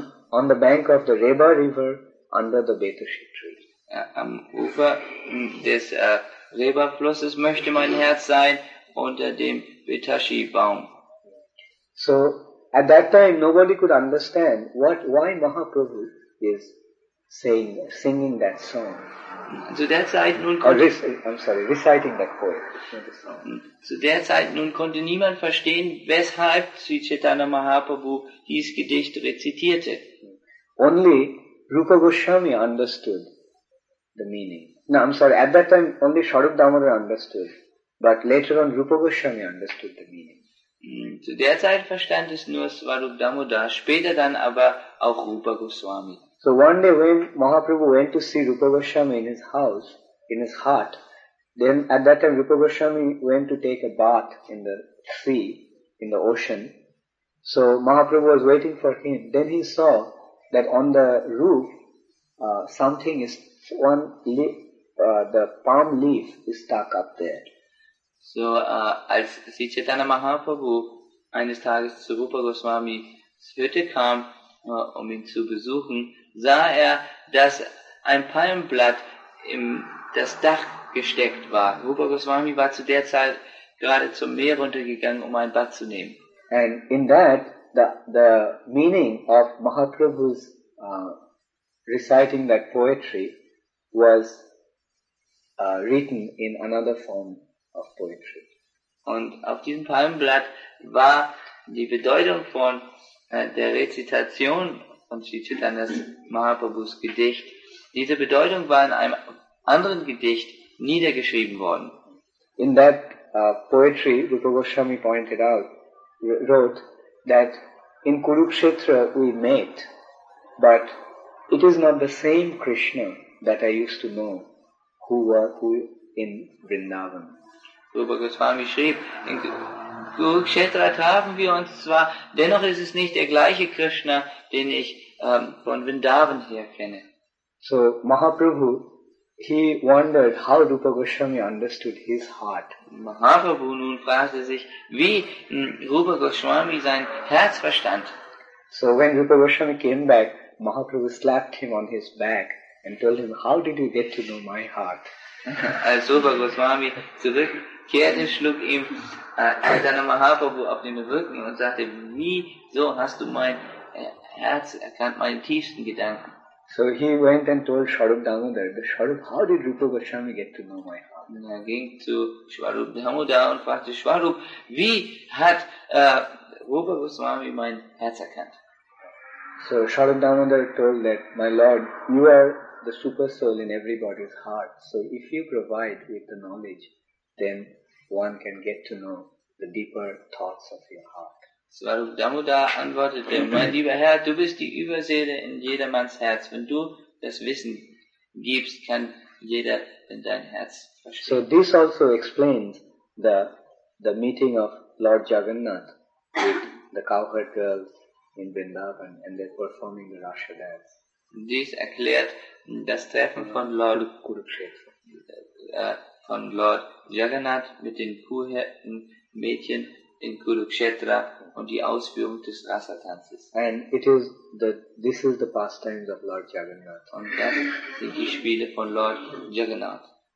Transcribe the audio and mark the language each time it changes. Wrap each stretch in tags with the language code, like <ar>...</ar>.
<en>On the bank of the Reba River, under the Betoshi tree.</en> <de>Am Ufer des Reba-Flusses möchte mein Herz sein, unter dem Betashi-Baum.</de> <en>So, at that time, nobody could understand why Mahaprabhu is singing that song.</en> <de>Zu der Zeit nun konnte,</de> <en>reciting that poem.</en> <de>Zu der Zeit nun konnte niemand verstehen, weshalb Sri Chaitanya Mahaprabhu dieses Gedicht rezitierte.</de> <en>Only Rupa Goswami understood the meaning. No, I'm sorry, at that time only Swarup Damodar understood, but later on Rupa Goswami understood the meaning.</en> <de>Zu der Zeit verstand es nur Swarup Damodar, später dann aber auch Rupa Goswami.</de> <en>So one day when Mahaprabhu went to see Rupa Goswami in his house, in his heart, then at that time Rupa Goswami went to take a bath in the sea, in the ocean. So Mahaprabhu was waiting for him. Then he saw that on the roof, something is, the palm leaf is stuck up there.</en> <de>So, als Sri Chaitanya Mahaprabhu eines Tages zu Rupa Goswamis Hütte kam, um ihn zu besuchen, sah er, dass ein Palmblatt im das Dach gesteckt war. Rupa Goswami war zu der Zeit gerade zum Meer runtergegangen, um ein Bad zu nehmen.</de> <en>And in that, the meaning of Mahaprabhu's reciting that poetry was written in another form of poetry.</en> <de>Und auf diesem Palmblatt war die Bedeutung von der Rezitation von Sri Chaitanya Mahaprabhus Gedicht. Diese Bedeutung war in einem anderen Gedicht niedergeschrieben worden.</de> <en>In that poetry, Rupa Goswami pointed out, wrote that in Kurukshetra we met, but it is not the same Krishna that I used to know who in Vrindavan.</en> <de>Rupa Goswami schrieb, in Kurukshetra trafen wir uns zwar, dennoch ist es nicht der gleiche Krishna, den ich von Vrindavan her kenne.</de> <en>So Mahaprabhu, he wondered how Rupa Goswami understood his heart.</en> <de>Mahaprabhu nun fragte sich, wie Rupa Goswami sein Herz verstand.</de> <en>So when Rupa Goswami came back, Mahaprabhu slapped him on his back and told him, how did you get to know my heart?</en> <de>Als Rupa Goswami zurück kehrte, schlug ihm Chaitanya Mahaprabhu auf den Rücken und sagte, wieso hast du mein Herz erkannt, meinen tiefsten Gedanken?</de> <en>So he went and told Swarup Damodar, the Swarup, how did Rupa Goswami get to know my heart?</en> <de>Und er ging zu Swarup Damodar und fragte, Swarup, wie hat Rupa Goswami mein Herz erkannt?</de> <en>So Swarup Damodar told that, my Lord, you are the super soul in everybody's heart. So if you provide with the knowledge, then one can get to know the deeper thoughts of your heart.</en> <de>Swarup Damodar antwortete, mein lieber Herr, du bist die Überseele in jedermanns Herz. Wenn du das Wissen gibst, kann jeder in dein Herz verstehen.</de> <en>So this also explains the meeting of Lord Jagannath with the cowherd girls in Vrindavan and they're performing the Rasha dance.</en> <de>Dies erklärt das Treffen von Lord Kurukshetra, von Lord Jagannath mit den Kuhhirten Mädchen in Kurukshetra und die Ausführung des Rasa-Tanzes.</de> <en>And it is this is the pastimes of Lord Jagannath.</en> <de>Und das sind die Spiele von Lord Jagannath.</de>